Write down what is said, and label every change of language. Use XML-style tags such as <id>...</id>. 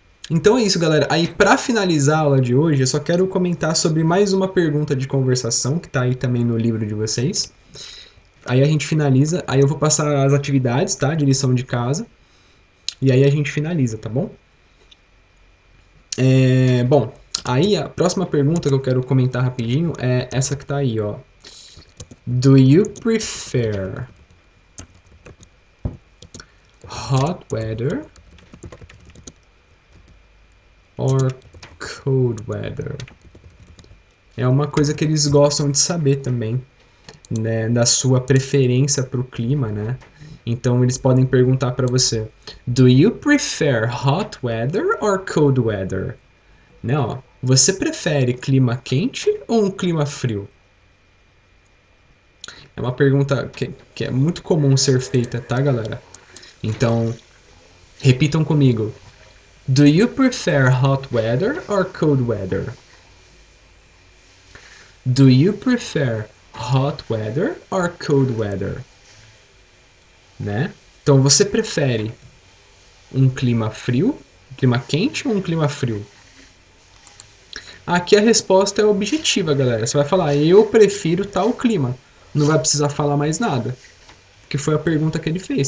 <pt>Então é isso, galera. Aí para finalizar a aula de hoje, eu só quero comentar sobre mais uma pergunta de conversação que tá aí também no livro de vocês. Aí a gente finaliza, aí eu vou passar as atividades, tá? De lição de casa. E aí a gente finaliza, tá bom? Bom, aí a próxima pergunta que eu quero comentar rapidinho é essa que tá aí, ó.</pt> <en>Do you prefer hot weather or cold weather?</en> <pt>É uma coisa que eles gostam de saber também, né? Da sua preferência para o clima, né? Então eles podem perguntar para você:</pt> <en>Do you prefer hot weather or cold weather?</en> <pt>Né, ó, você prefere clima quente ou um clima frio? É uma pergunta que é muito comum ser feita, tá, galera? Então, repitam comigo.</pt> <en>Do you prefer hot weather or cold weather? Do you prefer hot weather or cold weather?</en> <pt>Né? Então, você prefere um clima frio, clima quente ou um clima frio? Aqui a resposta é objetiva, galera. Você vai falar, eu prefiro tal clima. Não vai precisar falar mais nada. Que foi a pergunta que ele fez.</pt>